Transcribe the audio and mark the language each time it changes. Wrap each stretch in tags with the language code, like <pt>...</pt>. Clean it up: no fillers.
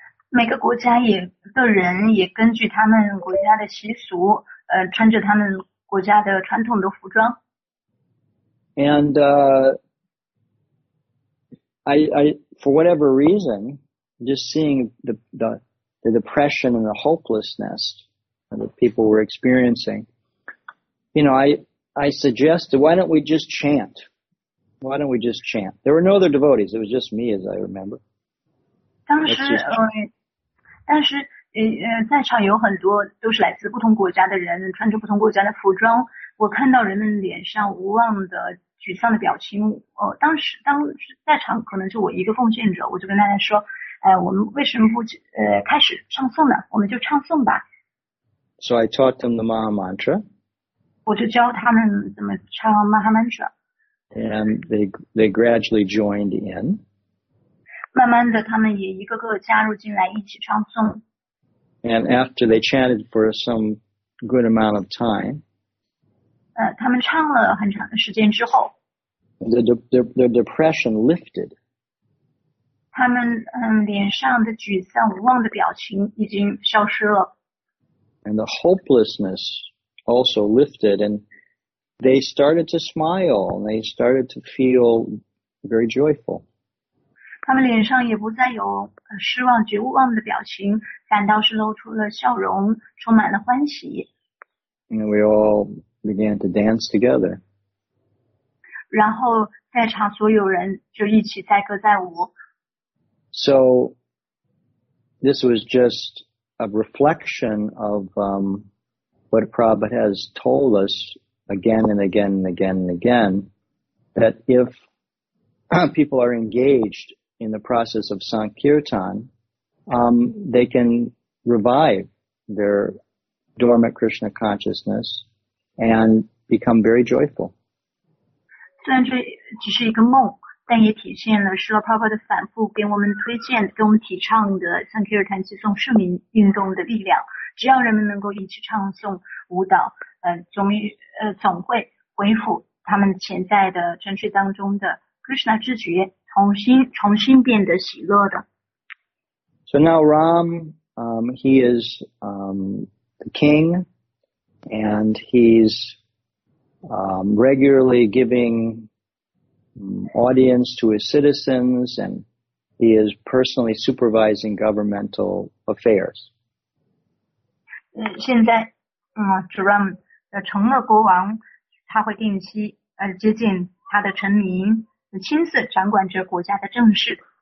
<zh>每个国家也的人也根据他们国家的习俗，穿着他们国家的传统的服装。</zh> <en>And I, for whatever reason, just seeing the depression and the hopelessness that people were experiencing, you know, I suggested, why don't we just chant? Why don't we just chant? There were no other devotees. It was just me, as I remember.</en> <zh>当时在场有很多都是来自不同国家的人，穿着不同国家的服装。我看到人们脸上无望的沮丧的表情，当时在场可能就我一个奉献者，我就跟大家说，我们为什么不开始唱诵呢？我们就唱诵吧。</zh> <en>So I taught them the Maha Mantra.</en> <zh>我就教他们怎么唱 Mahamantra。</zh> <en>And they gradually joined in.</en> <zh>慢慢的他们也一个个加入进来一起唱诵。</zh> <en>And after they chanted for some good amount of time,</en> <zh>他们唱了很长的时间之后,</zh> <en>the depression lifted.</en> <zh>他们脸上的沮丧无望的表情已经消失了。</zh> <en>And the hopelessness also lifted, and they started to smile, and they started to feel very joyful.</en> <zh>他们脸上也不再有失望、绝望的表情，反倒是露出了笑容，充满了欢喜。</zh> <en>And we all began to dance together.</en> <zh>然后在场所有人就一起载歌载舞。</zh> <en>So, this was just a reflection of what Prabhupada has told us again and again and again and again, that if people are engaged,in the process of Sankirtan, they can revive their dormant Krishna consciousness and become very joyful.</en> <zh>虽然这只是一个梦，但也体现了Srila Prabhupada反复给我们推荐、给我们提倡的Sankirtan寄送圣名运动的力量。只要人们能够一起唱诵舞蹈，总会恢复他们潜在的沉睡当中的Krishna 知觉。重新变得喜乐的。</zh> <en>So now Ram, he is the king, and he's regularly giving audience to his citizens, and he is personally supervising governmental affairs.</en> <zh>现在，主任成了国王，他会定期接见他的臣民。亲自掌管着国家的政事。</zh>